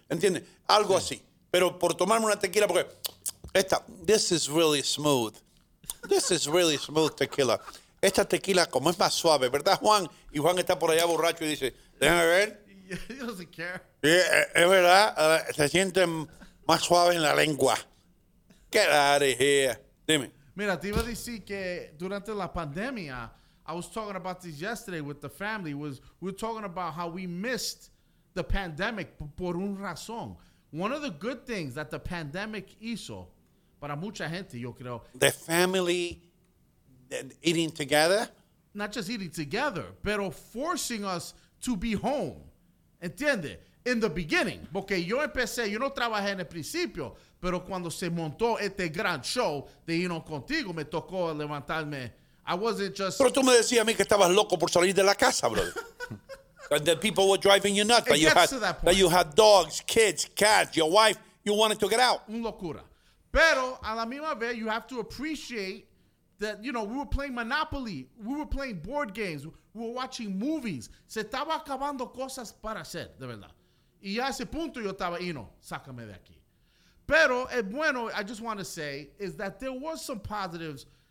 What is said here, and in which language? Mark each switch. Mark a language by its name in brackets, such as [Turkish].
[Spanish] ¿Entiendes? Algo así. Pero por tomarme una tequila, porque esta, [English] this is really smooth. This is really smooth tequila. [Spanish] Esta tequila, como es más suave, ¿verdad, Juan? Y Juan está por allá borracho y dice, déjame ver. [English] He doesn't care. [Spanish] Y, es verdad, se siente más suave en la lengua. [English] Get out of here. [Spanish] Dime. Mira, te iba a decir que durante la pandemia, [English] I was talking about this yesterday with the family. We were talking about how we missed the pandemic [Spanish] por un razón. [English] One of the good things that the pandemic [Spanish] hizo para mucha gente, yo creo. [English] The family eating together? Not just eating together, [Spanish] pero [English] forcing us to be home. [Spanish] ¿Entiende? [English] In the beginning. [Spanish] Porque yo empecé, yo no trabajé en el principio, pero cuando se montó este gran show de Hino Contigo, me tocó levantarme. [English] I wasn't just... [Spanish] Pero tú me decías a mí que estabas loco por salir de la casa, brother. [English] And the people were driving you nuts. That you had dogs, kids, cats, your wife. You wanted to get out. [Spanish] Un locura. Pero a la misma vez, [English] you have to appreciate that, you know, we were playing Monopoly. We were playing board games. We were watching movies. [Spanish] Se estaba acabando cosas para hacer, de verdad. Y a ese punto yo estaba, [English] you know, [Spanish] sácame de aquí. Pero, bueno, [English] I just want to say is that there was some positives.